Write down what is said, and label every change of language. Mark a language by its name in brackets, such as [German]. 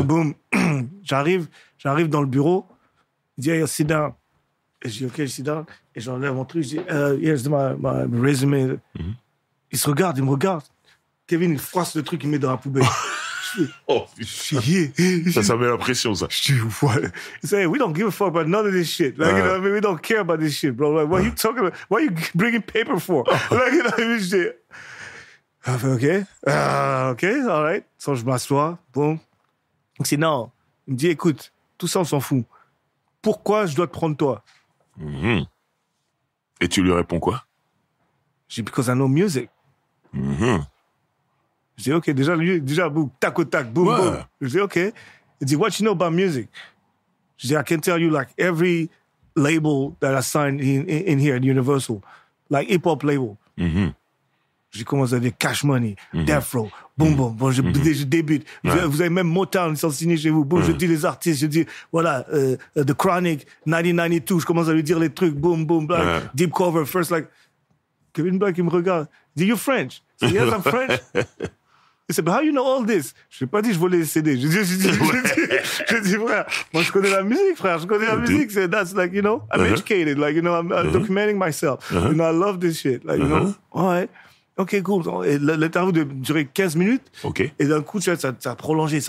[French] Et boom. J'arrive dans le bureau. Il dit, [English] hey, sit down. [French] Et je dis, ok, sit down. Et j'enlève mon truc, je dis, [English] here's my resume. Mm-hmm. [French] Il me regarde. Kevin, il froisse le truc, il met dans la poubelle. Oh, putain. Ça met la pression, ça. Je dis, what? [English] He said, we don't give a fuck about none of this shit. Like, you know what I mean? We don't care about this shit, bro. Like, what are you talking about? What are you bringing paper for? Like, you know what I mean? [French] Je dis, [English] okay, all right. [French] So, je m'assois, boom. Il dit, non. Il me dit, écoute, tout ça, on s'en fout. Pourquoi je dois te prendre toi? Mm-hmm. Et tu lui réponds quoi? Je dis, [English] because I know music. Mm-hmm. [French] Je dis, OK, déjà, boum, tac au tac, boum, boum. Je dis, OK. Il dit, [English] what you know about music? [French] Je dis, [English] I can tell you, like, every label that I signed in here at Universal, like, hip-hop label. Mm-hmm. [French] J'ai commencé à dire Cash Money, mm-hmm. Death Row, boum, boum, bon, je débute. Ouais. Vous avez même Motown, ils sont signés chez vous. Boum, je dis les artistes, je dis, voilà, The Chronic, 1992, je commence à lui dire les trucs, boum, boum, blague, ouais. Deep Cover, First, like, Kevin Black, il me regarde. Il dit, [English] you're French? [French] Il dit, [English] yes, I'm French. [French] Il dit, [English] but how you know all this? [French] Je n'ai pas dit, je voulais les CD. Je dis, frère, moi, je connais la musique, frère. Je connais la musique. C'est, [English] that's like, you know, I'm educated. Like, you know, I'm documenting myself. You know, I love this shit. Like, you know, all right. OK, cool. [French] Et l'interview a duré 15 minutes. OK. Et d'un coup, tu vois, ça a prolongé.